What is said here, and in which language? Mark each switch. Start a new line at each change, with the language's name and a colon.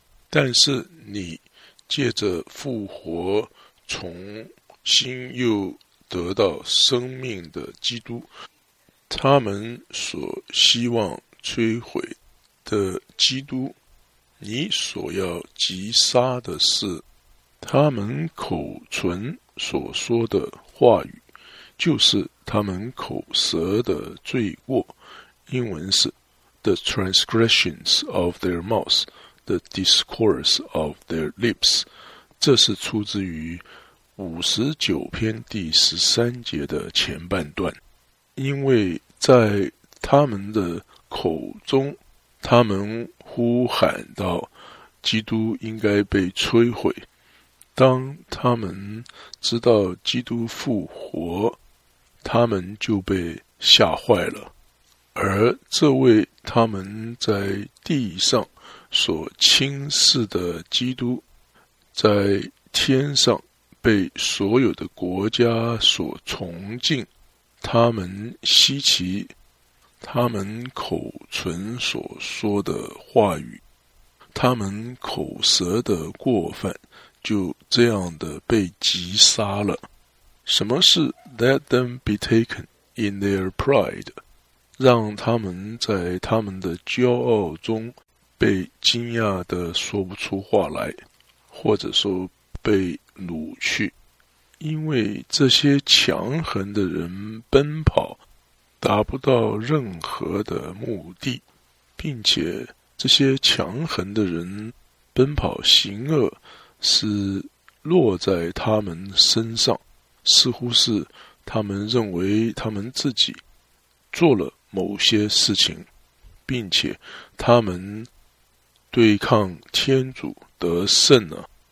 Chinese: 但是你借着复活重新又得到生命的基督，他们所希望摧毁的基督，你所要击杀的是他们口唇所说的话语，就是他们口舌的罪过。英文是
English: The transgressions of their mouths, the discourse of their lips.
Chinese: 这是出自于59篇第13节的前半段。因为在他们的口中，他们呼喊到基督应该被摧毁。当他们知道基督复活，他们就被吓坏了。而这位他们在地上所轻视的基督，在天上被所有的国家所崇敬，他们稀奇他们口唇所说的话语，他们口舌的过犯，就这样的被击杀了。什么是
English: let them be taken in their pride?
Chinese: 让他们在他们的骄傲中被惊讶的说不出话来，或者说被掳去。因为这些强横的人奔跑达不到任何的目的，并且这些强横的人奔跑行恶是落在他们身上，似乎是他们认为他们自己做了某些事情，并且他们对抗天主得胜了。